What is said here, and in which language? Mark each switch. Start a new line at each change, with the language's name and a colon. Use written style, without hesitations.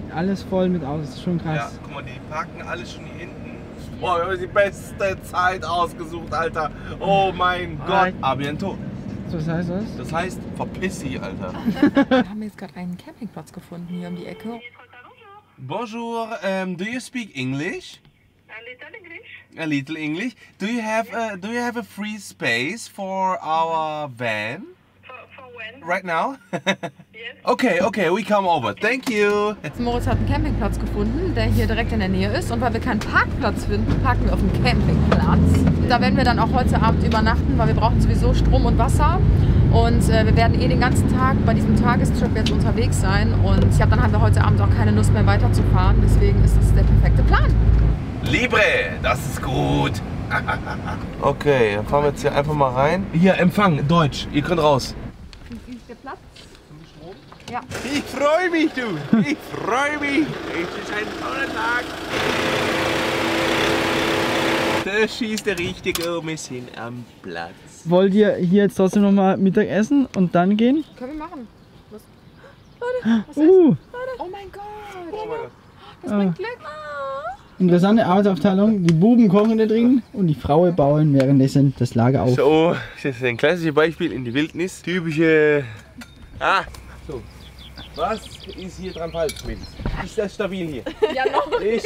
German: Alles voll mit Autos, ist schon krass. Ja, guck mal, die parken alle schon hier hinten. Boah, wir haben die beste Zeit ausgesucht, Alter. Oh mein Gott.
French: A bientôt.
German: Was heißt das? Das heißt, verpiss dich, Alter. Wir haben jetzt gerade einen Campingplatz gefunden hier um die Ecke.
English: Bonjour, do you speak English? A little English. A little English. Do you have a free space for our van? For when? Right now? Yes. Okay, we come over. Okay. Thank you.
German: Moritz hat einen Campingplatz gefunden, der hier direkt in der Nähe ist. Und weil wir keinen Parkplatz finden, parken wir auf dem Campingplatz. Da werden wir dann auch heute Abend übernachten, weil wir brauchen sowieso Strom und Wasser. Und wir werden den ganzen Tag bei diesem Tagestrip jetzt unterwegs sein. Und ich glaube, dann haben wir heute Abend auch keine Lust mehr weiterzufahren. Deswegen ist das der perfekte Plan. Libre, das ist gut. Okay, dann fahren wir jetzt hier einfach mal rein. Hier, Empfang, Deutsch. Ihr könnt raus. Ja. Ich freue mich, du! Ich freue mich! Es ist ein toller Tag! Da schießt der richtige Omis hin am Platz. Wollt ihr hier jetzt trotzdem noch mal Mittagessen und dann gehen? Können wir machen. Was? Leute, was ist? Oh mein Gott! Oh mein Gott! Das bringt Glück! Interessante Arbeitsaufteilung, die Buben kochen da drin und die Frauen bauen währenddessen das Lager auf. So, das ist ein klassisches Beispiel in die Wildnis. Typische... Ah! So, was ist hier dran falsch, Mädels? Ist das stabil hier? Ja, noch nicht.